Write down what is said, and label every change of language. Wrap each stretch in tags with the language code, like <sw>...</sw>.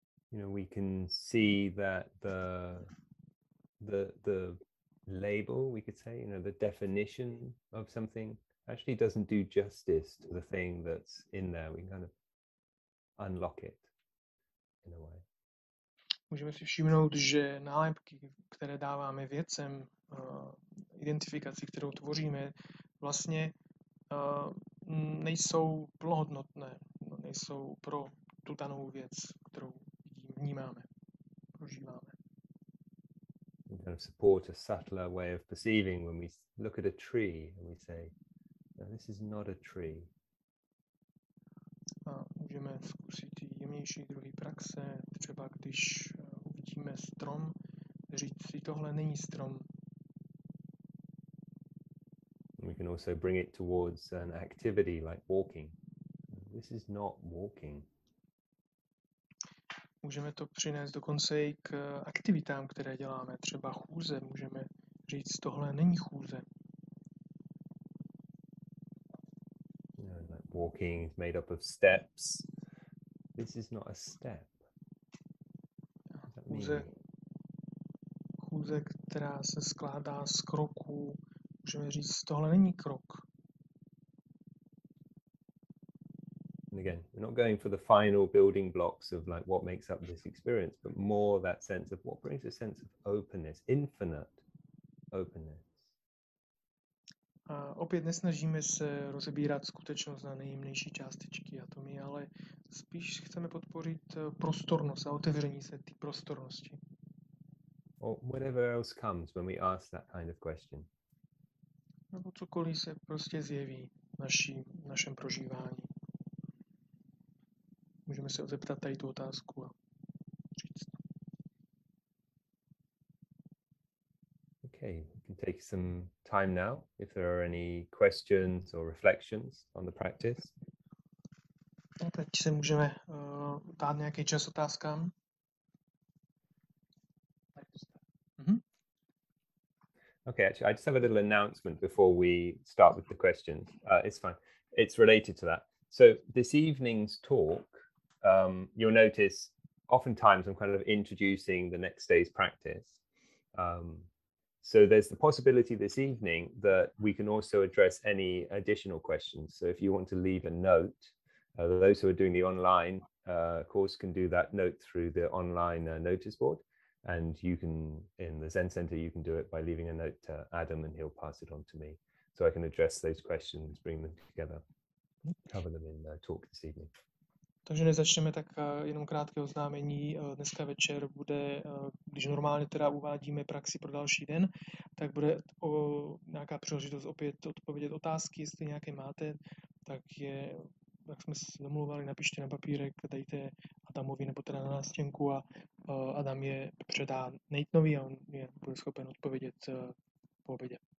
<en>You know, we can see that the label, we could say, you know, the definition of something actually doesn't do justice to the thing that's in there. We can kind of unlock it in a way.</en> <cs>Můžeme si všimnout, že nálepky, které dáváme věcem, identifikaci, kterou tvoříme, vlastně nejsou plnohodnotné, nejsou pro tu danou věc, kterou vnímáme, prožíváme.</cs> <en>We kind of support a subtler way of perceiving when we look at a tree and we say, no, this is not a tree.</en> <cs>A můžeme zkusit i jemnější druhý praxe, třeba když uvidíme strom, říct si, tohle není strom.</cs> <en>We can also bring it towards an activity like walking. This is not walking.</en> <cs>Můžeme to přinést dokonce i k aktivitám, které děláme, třeba chůze. Můžeme říct, tohle není chůze.</cs> <en>You know, like walking is made up of steps. This is not a step.</en> <cs>Chůze, která se skládá z kroků. Můžeme říct, tohle není krok.</cs> <en>And again, we're not going for the final building blocks of like what makes up this experience, but more that sense of what brings a sense of openness, infinite openness.</en> <cs>A opět nesnažíme se rozebírat skutečnost na nejjemnější částečky atomy, ale spíš chceme podpořit prostornost a otevření se ty prostornosti.</cs> <en>Or whatever else comes when we ask that kind of question.</en> <cs>Nebo cokoliv se prostě zjeví v našem prožívání. Můžeme se zeptat tady tu otázku a říct.</cs> <en>Okay, we can take some time now if there are any questions or reflections on the practice.</en> <cs>A teď se můžeme dát nějaký čas otázkám.</cs> <en>Okay, actually, I just have a little announcement before we start with the questions. It's fine. It's related to that. So this evening's talk, you'll notice oftentimes I'm kind of introducing the next day's practice. So there's the possibility this evening that we can also address any additional questions. So if you want to leave a note, those who are doing the online course can do that note through the online notice board. And you can, in the Zen Center, you can do it by leaving a note to Adam and he'll pass it on to me. So I can address those questions, bring them together, cover them in the talk this evening.</en> <cs>Takže nezačneme tak jenom krátké oznámení. Dneska večer bude, když normálně teda uvádíme praxi pro další den, tak bude nějaká příležitost opět odpovědět otázky, jestli nějaké máte, tak je, jak jsme se domluvali, napište na papírek, dejte Adamovi nebo teda na nástěnku a Adam je předá Nate-novi a on je bude schopen odpovědět po obědě.</cs>